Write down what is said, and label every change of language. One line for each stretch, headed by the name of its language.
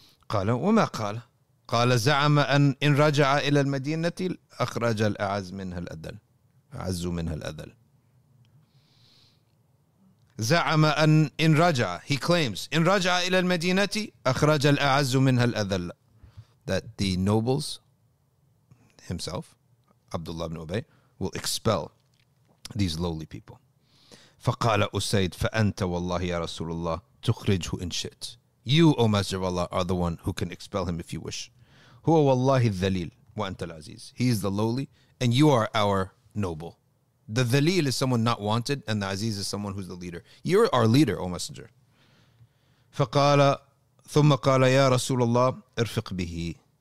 Arabic: قال وما قال؟ قال زعم أن إن رجع إلى المدينة أخرج الأعز منها الأذل. أعز منها الأذل. زعم أن إن رجع.
English: He claims
Arabic: إن رجع إلى المدينة أخرج الأعز منها الأذل.
English: That the nobles, himself, Abdullah ibn Ubay, will expel these lowly people.
Arabic: فقال أسيد فأنت والله يا رسول الله تخرجه إن شئت.
English: You, O Master of Allah, are the one who can expel him if you wish.
Arabic: هو والله الذليل وأنت العزيز.
English: He is the lowly and you are our noble. The ذليل is someone not wanted and the عزيز is someone who's the leader. You're our leader, O Messenger.
Arabic: فقال ثم قال يا رسول الله ارفق به.